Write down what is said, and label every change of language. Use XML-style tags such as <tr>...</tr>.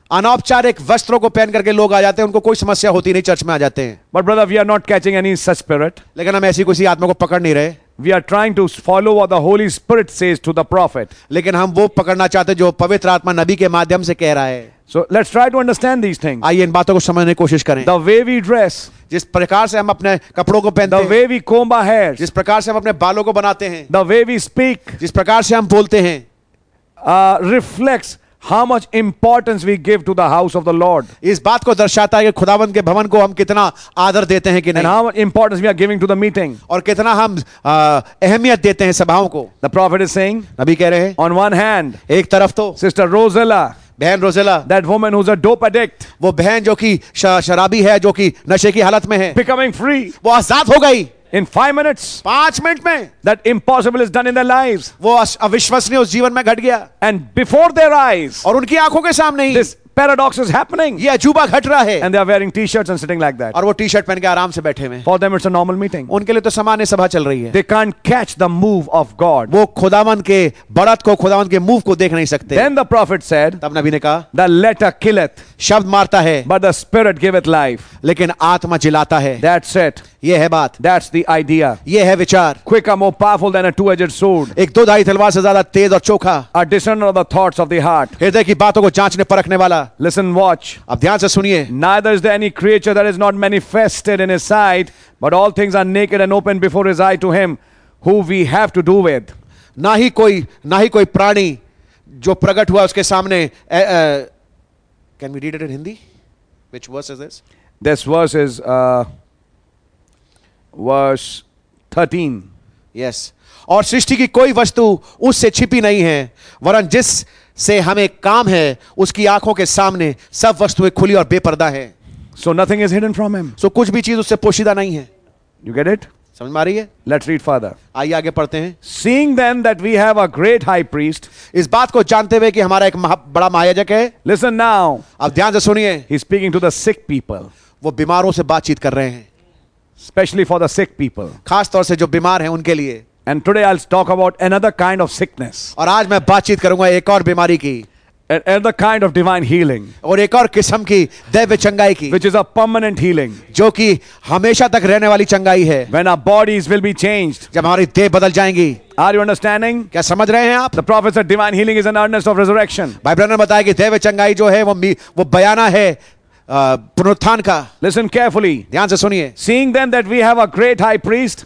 <hi>अनौपचारिक वस्त्रों को पहन करके लोग आ जाते हैं, उनको कोई समस्या होती नहीं, चर्च में आ जाते हैं.</hi> <en>But brother, we are not catching any such spirit.</en> <hi>लेकिन हम ऐसी कोई आत्मा को पकड़ नहीं रहे.</hi> <en>We are trying to follow what the Holy Spirit says to the prophet.</en> <hi>लेकिन हम वो पकड़ना चाहते हैं जो पवित्र आत्मा नबी के माध्यम से कह रहा है.</hi> <en>So let's try to understand these things.</en> <hi>आइए इन बातों को समझने की कोशिश करें.</hi> <en>The way we dress.</en> <hi>जिस प्रकार से हम अपने कपड़ों को पहनते हैं.</hi> <en>The way we comb our hair.</en> <hi>जिस प्रकार से हम अपने बालों को बनाते हैं.</hi> <en>The way we speak.</en> <hi>जिस प्रकार से हम बोलते हैं.</hi> <en>Reflects how much importance we give to the house of the Lord.</en> <hi>इस बात को दर्शाता है कि खुदावंद के भवन को हम कितना आदर देते हैं कि नहीं.</hi> <en>And how much importance we are giving to the meeting.</en> <hi>और कितना हम अहमियत देते हैं सभाओं को.</hi> <en>The prophet is saying.</en> <hi>नबी कह रहे हैं.</hi> <en>On one hand.</en> <hi>एक तरफ तो.</hi> <en>Sister Rosella.</en> <hi>बहन Rosella.</hi> <en>That woman who's a dope addict.</en> <hi>वो बहन जो कि शराबी है, जो कि नशे की हालत में है.</hi> <en>Becoming free.</en> <hi>वो आजाद हो गई.</hi> <en>In 5 minutes.</en> <hi>5 minutes में.</hi> <en>That impossible is done in their lives.</en> <hi>वो अविश्वसनीय उस जीवन में घट गया.</hi> <en>And before their eyes.</en> <hi>और उनकी आंखों के सामने ही.</hi> <en>This paradox is happening.</en> <hi>ये अजूबा घट रहा है.</hi> <en>And they are wearing t-shirts and sitting like that.</en> <hi>और वो t-shirt पहन के आराम से बैठे हैं.</hi> <en>For them it's a normal meeting.</en> <hi>उनके लिए तो सामान्य सभा चल रही है.</hi> <en>They can't catch the move of God.</en> <hi>वो खुदावंद के बढ़त को, खुदावंद के मूव को देख नहीं सकते.</hi> <en>Then the prophet said.</en> <hi>तब नबी ने कहा.</hi> <en>The letter killeth.</en> <hi>शब्द मारता है.</hi> <en>But the spirit giveth life.</en> <hi>लेकिन आत्मा जिलाता है.</hi> <en>That's it.</en> <hi>ये है बात.</hi> <en>That's the idea.</en> <hi>ये है विचार.</hi> <en>Quicker, more powerful than a two-edged sword.</en> <hi>एक दो धारी तलवार से ज़्यादा तेज़ और चोखा.</hi> <en>A discerner of the thoughts of the heart.</en> <hi>हृदय की बातों को जांचने परखने वाला.</hi> <en>Listen, watch.</en> <hi>अब ध्यान से सुनिए.</hi> <en>Neither is there any creature that is not manifested in his sight, but all things are naked and open before his eye to him who we have to do with.</en> <hi>ना ही कोई प्राणी जो प्रकट हुआ उसके सामने.</hi> <en>Can we read it in Hindi? Which verse is this? This verse is verse 13. Yes.</en> <hi>और सृष्टि की कोई वस्तु उससे छिपी नहीं है, वरन जिस से हमें काम है उसकी आंखों के सामने सब वस्तुएं खुली और बेपर्दा है.</hi> <en>So nothing is hidden from him.</en> <hi>So कुछ भी चीज उससे पोशीदा नहीं है.</hi> <en>You get it?</en> <hi>समझ में आ रही है?</hi> <en>Let's read further.</en> <hi>आइए आगे पढ़ते हैं.</hi> <en>Seeing then that we have a great high priest.</en> <hi>इस बात को जानते हुए कि हमारा एक बड़ा महायाजक है.</hi> <en>Listen now.</en> <hi>अब ध्यान से सुनिए.</hi> <en>He's speaking to the sick people.</en> <hi>वो बीमारों से बातचीत कर रहे हैं.</hi> <en>Specially for the sick people.</en> <hi>खास तौर से जो बीमार हैं उनके लिए.</hi> <en>And today I'll talk about another kind of sickness.</en> <hi>और आज मैं बातचीत करूंगा एक और बीमारी की.</hi> <en>Another kind of divine healing.</en> <hi>और एक और किस्म की दैव्य चंगाई की.</hi> <en>Which is a permanent healing.</en> <hi>जो कि हमेशा तक रहने वाली चंगाई है.</hi> <en>When our bodies will be changed.</en> <hi>जब हमारी देह बदल जाएंगी.</hi> <en>Are you understanding?</en> <hi>क्या समझ रहे हैं आप?</hi> <en>The prophet said divine healing is an earnest of resurrection.</en> <hi>भाई ब्रैनम ने बताया कि दैव्य चंगाई जो है वो बयाना है पुनरुत्थान का.</hi> <en>Listen carefully.</en> <hi>ध्यान से सुनिए.</hi> <en>Seeing then that we have a great high priest.</en>